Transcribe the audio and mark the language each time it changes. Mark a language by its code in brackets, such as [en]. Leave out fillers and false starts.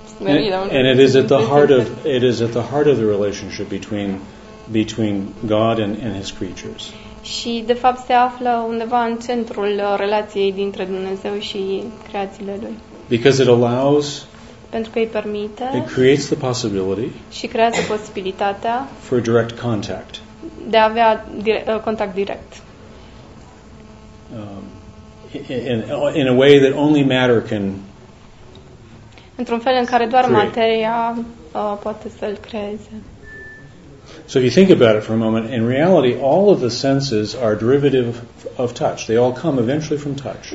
[en] And it is at the heart of the relationship between God and his creatures. [ro] Și de fapt se află undeva în centrul relației dintre Dumnezeu și creațiile lui. [en] Because it allows, [ro] pentru că îi permite, [en] it creates the possibility, [ro] și creează posibilitatea, [en] for direct contact, [ro] de a avea contact direct. [en] In a way that only matter can, [ro] într-un fel în care doar materia poate să-l creeze. [en] So if you think about it for a moment, in reality, all of the senses are derivative of touch. They all come eventually from touch.